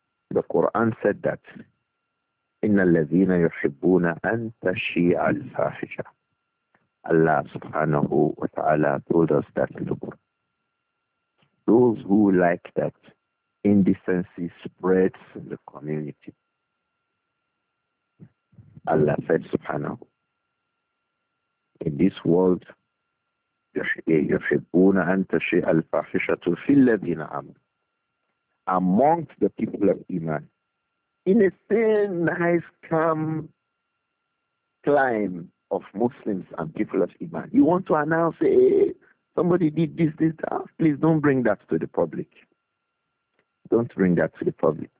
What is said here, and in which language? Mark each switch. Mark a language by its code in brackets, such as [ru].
[en] The Quran said that. [ar] إِنَّ الَّذِينَ يُحِبُّونَ أَن تَشِيعَ الْفَاحِشَةَ. [en] Allah subhanahu wa ta'ala told us that in the Quran. Those who like that indecency spreads in the community. Allah said subhanahu. In this world, [ar] يُحِبُّونَ أَن تَشِيعَ الْفَاحِشَةُ فِي الَّذِينَ آمَنُوا. [en] Amongst the people of Iman, in a thin, nice, calm climb of Muslims and people of Iman, you want to announce, hey, somebody did this, that. Please don't bring that to the public. Don't bring that to the public.